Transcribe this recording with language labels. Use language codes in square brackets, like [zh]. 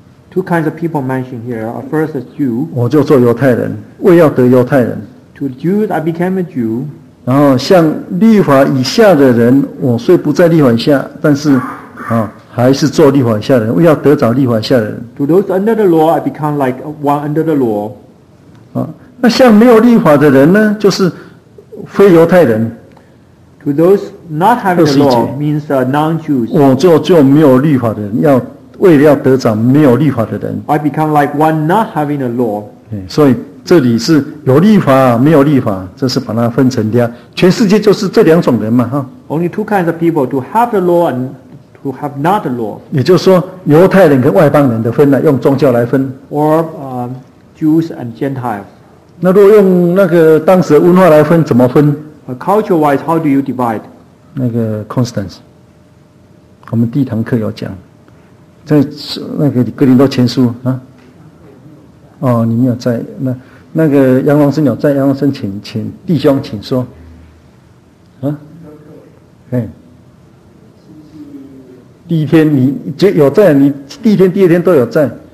[en] Two kinds of people mentioned here. First is Jew. [zh] 我就做犹太人，为要得犹太人。 [en] To the Jews, I became a Jew. [zh] 然后像律法以下的人，我虽不在律法以下，但是啊，还是做律法以下的人，为要得着律法以下的人。 [en] To those under the law, I become like one under the law. [zh] 啊，那像没有律法的人呢，就是非犹太人。 [en] To those not having the law means non-Jews. [zh] 我就没有律法的人要。为了要得着没有律法的人 [en] I become like one not having a law [zh] 所以这里是有律法没有律法这是把它分成掉全世界就是这两种人嘛 [en] Only two kinds of people to have the law and to have not the law [zh] 也就是说犹太人跟外邦人的分呢，用宗教来分 [en] Or Jews and Gentiles [zh] 那如果用那个当时的文化来分怎么分 [en] Culture wise how do you divide [zh] 那个 Constance 我们第一堂课有讲在那个哥林多前书啊，哦，你没有在那个杨龙生有在，杨龙生请弟兄请说，啊，哎，第一天你就有在，你第一天第二天都有在。